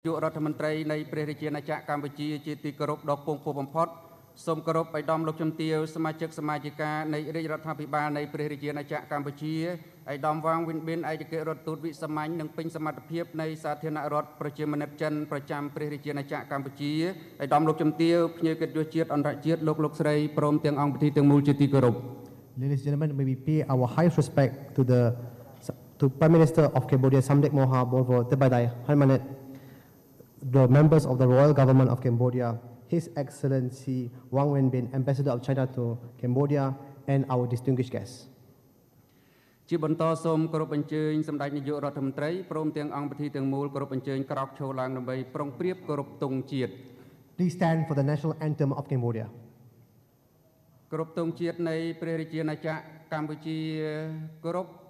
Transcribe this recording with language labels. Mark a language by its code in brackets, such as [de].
[km] ជារដ្ឋមន្ត្រីនៃព្រះរាជាណាចក្រកម្ពុជាជាទីគោរពដ៏ខ្ពង់ខ្ពស់បំផុតសូមគោរពឯកឧត្តមលោកជំទាវសមាជិកសមាជិកានៃរាជរដ្ឋាភិបាលនៃព្រះរាជាណាចក្រកម្ពុជាឯកឧត្តមវ៉ាងវិនបិនឯកអគ្គរដ្ឋទូតវិសាមញ្ញនិងពេញសមត្ថភាពនៃសាធារណរដ្ឋប្រជាមានិតចិនប្រចាំព្រះរាជាណាចក្រកម្ពុជាឯកឧត្តមលោកជំទាវភ្ញៀវកិត្តិយសជាតិអន្តរជាតិលោកស្រីព្រមទាំងអង្គប្រធានទាំងមូលជាទីគោរព [en] Ladies and gentlemen, may we pay our highest respect to Prime Minister of Cambodia Samdech Moha Bolvo Thebaidai Hunmanet. The members of the Royal Government of Cambodia, His Excellency Wang Wenbin, Ambassador of China to Cambodia, and our distinguished guests. [km] ជាបន្តសូមគោរពអញ្ជើញសម្តេចនាយករដ្ឋមន្ត្រីព្រមទាំងអង្គប្រធានទាំងមូលគោរពអញ្ជើញក្រោកឈរឡើងដើម្បីប្រងព្រៀបគោរពទង់ជាតិ [en] Please stand for the National Anthem of Cambodia. [km] គោរពទង់ជាតិនៃព្រះរាជាណាចក្រកម្ពុជាគោរព